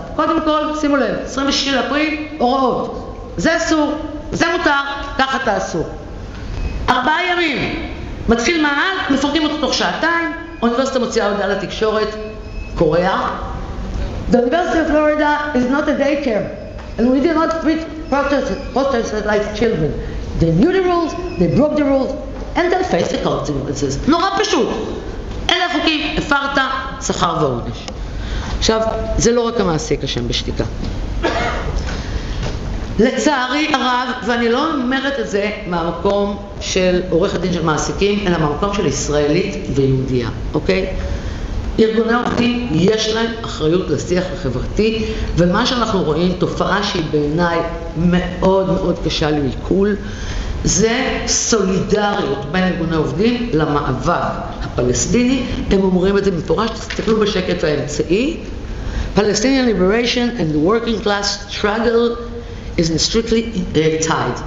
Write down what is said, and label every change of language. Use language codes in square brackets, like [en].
[he] קודם כל, שימו לב, 26 אפריל, הוראות. זה אסור, זה מותר, ככה תעשו. 4 ימים, מתחיל מעל, מפרקים אותו תוך שעתיים, אוניברסיטה מוציאה הודעה לתקשורת, קוריאה: [en] "The University of Florida is not a daycare, and we did not treat protesters like children. They knew the rules, they broke the rules, and they faced the consequences." [he] נורא פשוט. אלה החוקים, הפרת, שכר ועונש. עכשיו, זה לא רק המעסיק השם בשתיקה. לצערי הרב, ואני לא אומרת את זה מהמקום של עורך הדין של מעסיקים, אלא מהמקום של ישראלית ויהודיה, אוקיי? ארגוני עובדים יש להם אחריות לשיח החברתי, ומה שאנחנו רואים, תופעה שהיא בעיניי מאוד מאוד קשה לעיכול, זה סולידריות בין ארגוני עובדים למאבק הפלסטיני. הם אומרים את זה מפורש, תסתכלו בשקט האמצעי: [en] "Palestinian liberation and the working class struggle is strictly tied."